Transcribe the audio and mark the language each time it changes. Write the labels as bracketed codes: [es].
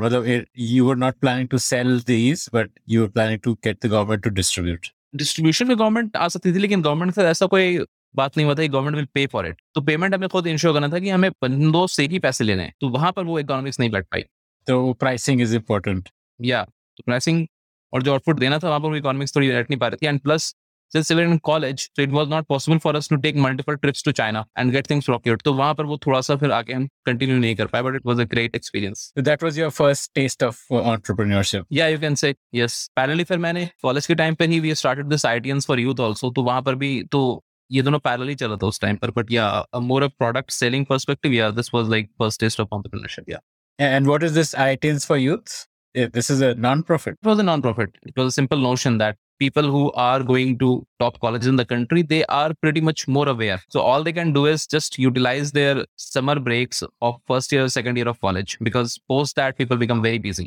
[en] Rather, you were not planning to sell these, but you were planning to get the government to distribute. [hi] Distribution में government आ सकती थी, लेकिन government से ऐसा कोई बात नहीं हुआ था, [en] Government will pay for it. [hi] तो पेमेंट हमें खुद इंश्योर करना था कि हमें बंदो से ही पैसे लेने हैं, तो वहां पर वो इकोनॉमिक्स नहीं बैठ पाई। [en] तो pricing is important. [hi] या तो प्राइसिंग और जो आउटपुट देना था वहां पर वो इकोनॉमिक्स थोड़ी बैठ नहीं पा रही थी। [en] And plus since we were in college, so it was not possible for us to take multiple trips to China and get things procured. [hi] So वहाँ पर वो थोड़ा सा फिर आके हम continue नहीं कर पाए, [en] but it was a great experience. So that was your first taste of entrepreneurship. Yeah, you can say yes. Parallelly, [hi] फिर मैंने college के time पे ही [en] we started this ITNs for youth also. [hi] तो वहाँ पर भी तो ये दोनों parallelly चला था उस time पर. [en] But yeah, a more of product selling perspective. Yeah, this was like first taste of entrepreneurship. Yeah. And what is this ITNs for youth? This is a non-profit. It was a non-profit. It was a simple notion that people who are going to top colleges in the country, they are pretty much more aware. So all they can do is just utilize their summer breaks of first year, second year of college, because post that people become very busy.